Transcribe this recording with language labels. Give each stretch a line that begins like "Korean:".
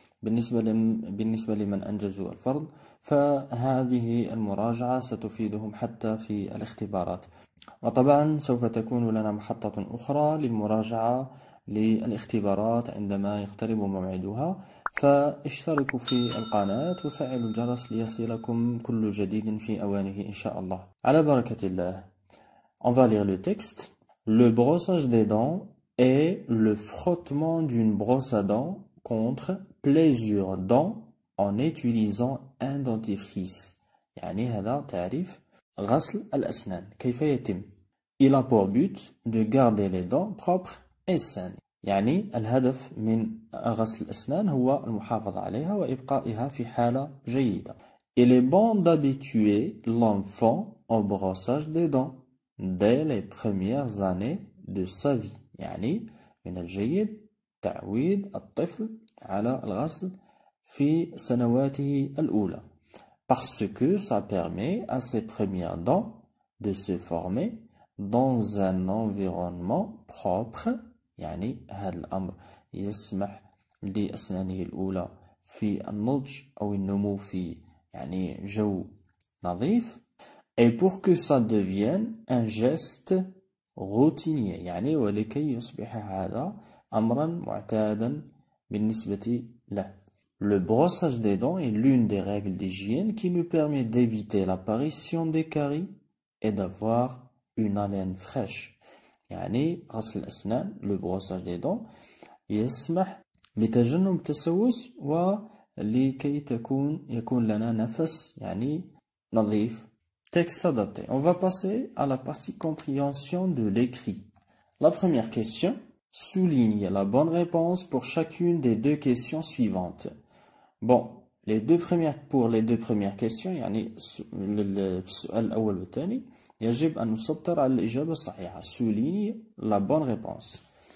Arabic: بالنسبة لمن أنجزوا الفرض فهذه المراجعة ستفيدهم حتى في الاختبارات، وطبعا سوف تكون لنا محطة أخرى للمراجعة للاختبارات عندما يقترب موعدها. فاشتركوا في القناة وفعلوا الجرس ليصلكم كل جديد في أوانه إن شاء الله. على بركة الله.
French: On va lire le texte. Le brossage des dents est le frottement d'une brosse à dents contre plaisir dents en utilisant un dentifrice.
Arabic: يعني هذا تعريف غسل الأسنان. كيف يتم؟
French: Il a pour but de garder les dents propres et saines.
Arabic: يعني الهدف من غسل الأسنان هو المحافظة عليها وإبقائها في حالة جيدة.
French: Il est bon d'habituer l'enfant au brossage des dents dès les premières années de sa vie.
Arabic: يعني من الجيد تعويد الطفل على الغسل في سنواته الأولى.
French: Parce que ça permet à ses premières dents de se former dans un environnement propre.
Arabic: يعني هذا الأمر يسمح لأسنانه الأولى في النضج أو النمو في يعني جو نظيف.
French: Et pour que ça devienne un geste routinier.
Arabic: يعني ولكي يصبح هذا أمرا معتادا بالنسبة له.
French: Le brossage des dents est l'une des règles d'hygiène qui nous permet d'éviter l'apparition des caries et d'avoir une haleine fraîche.
Arabic: يعني غسل الأسنان لو بروساج دي دون يسمح لتجنب التسوس ولكي يكون لنا نفس يعني نظيف.
French: Texte adapté. On va passer à la partie compréhension de l'écrit. La première question souligne la bonne réponse pour chacune des deux questions suivantes. Bon, les deux premières questions,
Arabic: يعني السؤال الأول والثاني يجب أن نسطر على الإجابة الصحيحة.
French: Souligne la bonne réponse.